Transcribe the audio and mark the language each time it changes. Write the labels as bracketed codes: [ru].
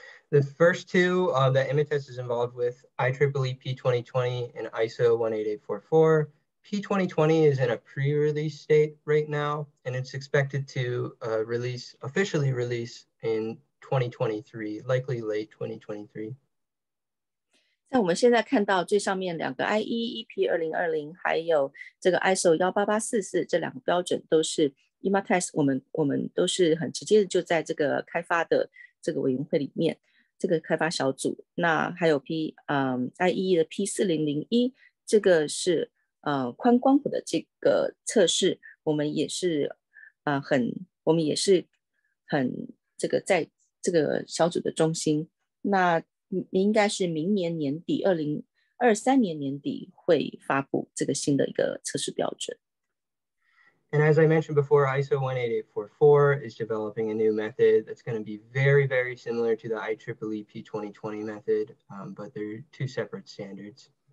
[en] The first two that IMATEST is involved with, IEEE P2020 and ISO 18844. P2020 is in a pre-release state right now, and it's expected to officially release in 2023, likely late 2023. [zh] 那我们现在看到最上面两个 IEEP 2020 还有这个 ISO 18844 这两个标准都是 IMATEST 我们都是很直接的就在这个开发的这个委员会里面这个开发小组那还有 IEEE 的 P4001 这个是宽光谱的这个测试我们也是很这个在这个小组的中心那 应该是明年年底 2023年年底 会发布这个新的一个测试标准 [en] And as I mentioned before, ISO 18844 is developing a new method that's going to be very, very similar to the IEEE P2020 method, but they're two separate standards.